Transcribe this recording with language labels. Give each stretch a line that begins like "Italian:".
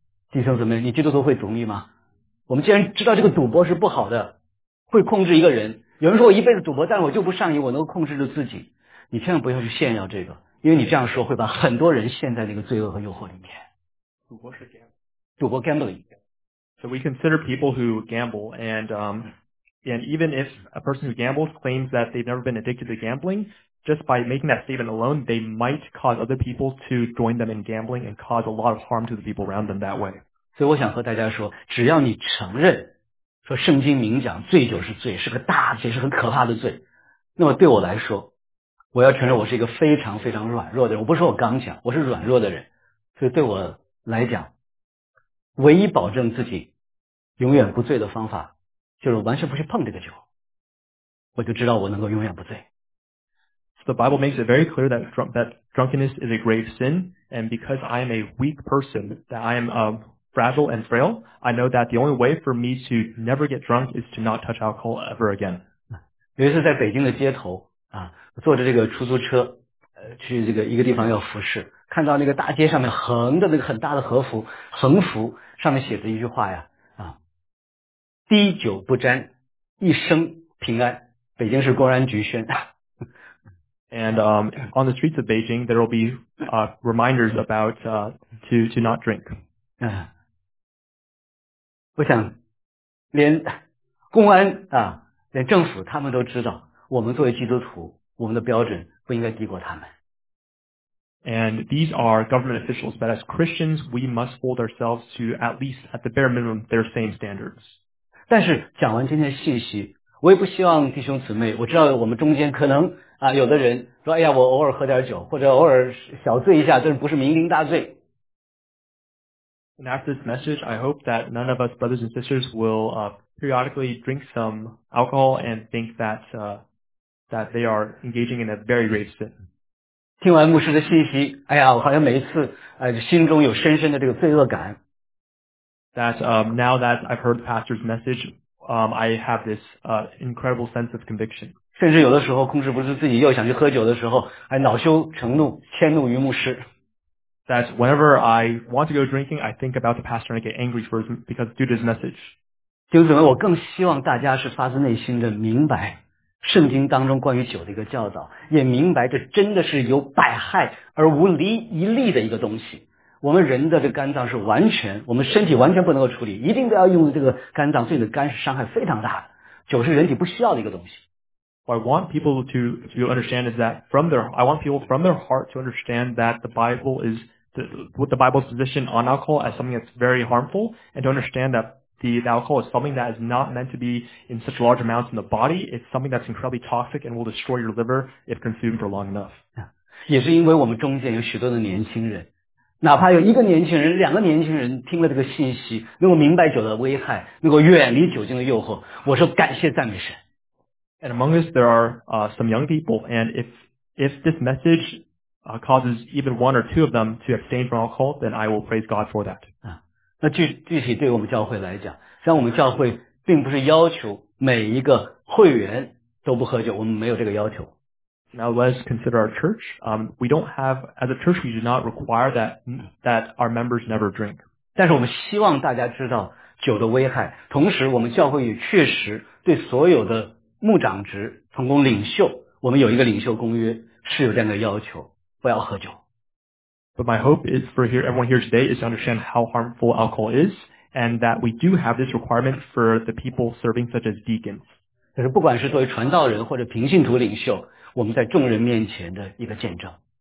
Chinese: 弟兄姊妹，你基督徒会同意吗？我们既然知道这个赌博是不好的，会控制一个人，有人说我一辈子赌博，但我就不上瘾，我能够控制住自己，你千万不要去炫耀这个，因为你这样说会把很多人陷在那个罪恶和诱惑里面。赌博
English: gambling。 So we consider people who gamble, and even if a person who gambles claims that they've never been addicted to gambling, just by making that statement alone, they might cause other people to join them in gambling and cause a lot of harm to the people around them that way.
Chinese: 所以我想和大家说，只要你承认说圣经明讲醉酒是罪，是个大罪，是很可怕的罪，那么对我来说，我要承认我是一个非常非常软弱的人。我不是说我刚强，我是软弱的人。所以对我来讲，唯一保证自己永远不醉的方法就是完全不去碰这个酒，我就知道我能够永远不醉。
English: So the Bible makes it very clear that drunkenness is a grave sin, and because I am a weak person, that I am fragile and frail, I know that the only way for me to never get drunk is to not touch alcohol ever again.
Chinese: 有一次在北京的街头啊，坐着这个出租车去这个一个地方要服侍，看到那个大街上面横的那个很大的横幅上面写着一句话呀，滴酒不沾，一生平安。北京市公安局宣。
English: And on the streets of Beijing, there will be reminders about to not drink.
Chinese: 我想连公安啊，连政府他们都知道，我们作为基督徒，我们的标准不应该低过他们。
English: And these are government officials, but as Christians, we must hold ourselves to at least at the bare minimum their same standards.
Chinese: 但是讲完今天的信息，我也不希望弟兄姊妹，我知道我们中间可能啊，有的人说，哎呀，我偶尔喝点酒，或者偶尔小醉一下，这不是酩酊大醉。
English: And after this message, I hope that none of us brothers and sisters will periodically drink some alcohol and think that they are engaging in a very grave sin.
Chinese: 听完牧师的信息，哎呀，我好像每一次，心中有深深的这个罪恶感。
English: That now that I've heard the pastor's message, I have this incredible sense of conviction.
Chinese: 甚至有的时候控制不住自己又想去喝酒的时候，还恼羞成怒，迁怒于牧师。
English: That whenever I want to go drinking, I think about the pastor and I get angry for him because due to his message.
Chinese: 弟兄姊妹，我更希望大家是发自内心的明白圣经当中关于酒的一个教导，也明白这真的是有百害而无离一利的一个东西。我们人的这个肝脏是完全，我们身体完全不能够处理，一定都要用这个肝脏，所以你的肝是伤害非常大的。酒是人体不需要的一个东西。
English: What I want people to understand is that from their, I want people from their heart to understand that the Bible is, with the Bible's position on alcohol as something that's very harmful, and to understand that the alcohol is something that is not meant to be in such large amounts in the body. It's something that's incredibly toxic and will destroy your liver if consumed for long enough.
Chinese: 也是因为我们中间有许多的年轻人，哪怕有一个年轻人、两个年轻人听了这个信息，能够明白酒的危害，能够远离酒精的诱惑，我说感谢赞美神。
English: And among us, there are some young people, and if this message causes even one or two of them to abstain from alcohol, then I will praise God for that.
Chinese: 那具体对我们教会来讲，像我们教会并不是要求每一个会员都不喝酒，我们没有这个要求。
English: Now let's consider our church. We don't have, as a church, we do not require that our members never drink.
Chinese: 但是我们希望大家知道酒的危害，同时我们教会也确实对所有的牧长职、同工、领袖，我们有一个领袖公约，是有这样的要求，不要喝酒。
English: But my hope is for here, everyone here today is to understand how harmful alcohol is, and that we do have this requirement for the people serving such as deacons.
Chinese: 就是不管是作为传道人或者平信徒领袖，我们在众人面前的一个见证。